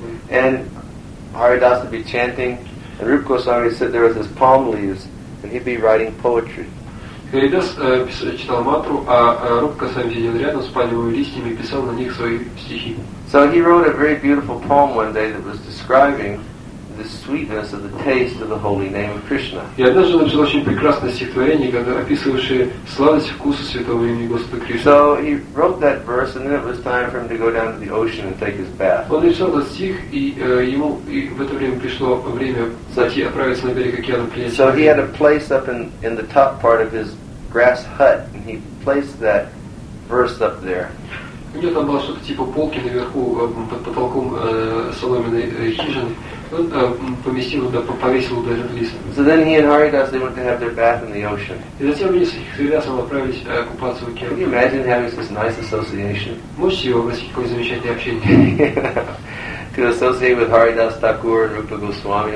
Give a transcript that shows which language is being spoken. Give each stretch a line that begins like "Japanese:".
English: And Haridas would be chanting, and Rupa Goswami would sit there with his palm leaves, and he'd be writing poetry.
Russian: Haridas читал мантру, а Рупа Госвами сидел рядом с пальмовыми листьями и писал на них свои стихи.
English: So he wrote a very beautiful poem one day that was describing the sweetness of the taste of the holy name of Krishna.
Russian: И однажды он написал очень прекрасное стихотворение, описывающее сладость вкуса святого имени Господа Кришны.
English: So he wrote that verse, and then it was time for him to go down to the ocean and take his bath.
Russian: Он написал этот стих, и ему в это время пришло время зайти отправиться на берег океана.
English: So he had a place up in the top part of his grass hut, and he placed that verse up there.
Russian: У него там было что-то типа полки наверху под потолком соломенной хижины.
English: So then he and Haridas, they went to have their bath in the ocean. Can you imagine having this nice association? To associate with Haridas Thakur and Rupa Goswami.